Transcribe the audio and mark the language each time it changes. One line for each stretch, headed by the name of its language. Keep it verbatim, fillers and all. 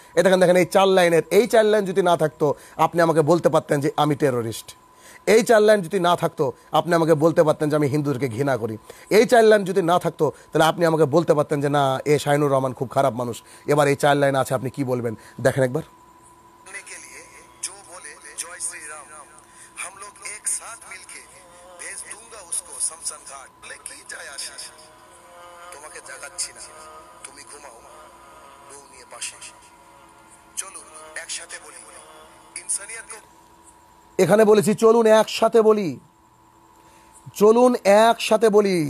Bangla: এটা দেখেন, দেখেন এই চার লাইনের, এই চার লাইন যদি না থাকতো আপনি আমাকে বলতে পারতেন যে আমি টেরোরিস্ট। এই চার লাইন যদি না থাকতো আপনি আমাকে বলতে পারতেন যে আমি হিন্দুদেরকে ঘৃণা করি। এই চার লাইন যদি না থাকতো তাহলে আপনি আমাকে বলতে পারতেন যে না এ শাহিনুর রহমান খুব খারাপ মানুষ। এবার এই চার লাইন আছে, আপনি কি বলবেন? দেখেন একবার,
Hindi: करने के लिए जो बोले जय श्री राम, हम लोग एक साथ मिलके भेज दूंगा उसको शमशान घाट। लेकिन
Bangla: जय आशीष তোমাকে জাগাচ্ছি না, তুমি ঘুমাও বউ নিয়ে পাশে। চলো একসাথে বলি ইনসানিয়ত কো। এখানে বলেছি চলুন একসাথে বলি, চলুন একসাথে বলি।